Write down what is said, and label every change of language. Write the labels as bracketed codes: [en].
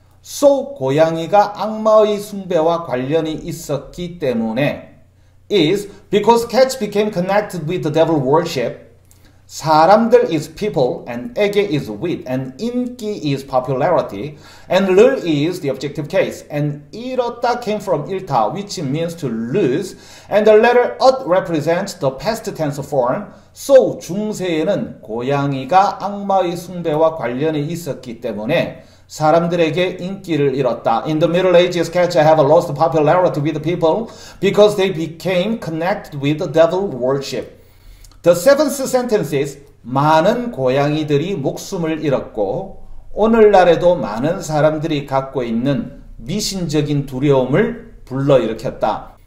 [en] So, [ko] 고양이가 악마의 숭배와 관련이 있었기 때문에 [en] is because cats became connected with the devil worship. 사람들 is people, and 에게 is with, and 인기 is popularity, and 를 is the objective case, and 잃었다 came from 잃다, which means to lose, and the letter 엇 represents the past tense form. So, [ko] 중세에는 고양이가 악마의 숭배와 관련이 있었기 때문에 사람들에게 인기를 잃었다. [en] In the Middle Ages, cats have lost popularity with people because they became connected with the devil worship. The seventh sentence is [ko] 많은 고양이들이 목숨을 잃었고 오늘날에도 많은 사람들이 갖고 있는 미신적인 두려움을 불러일으켰다.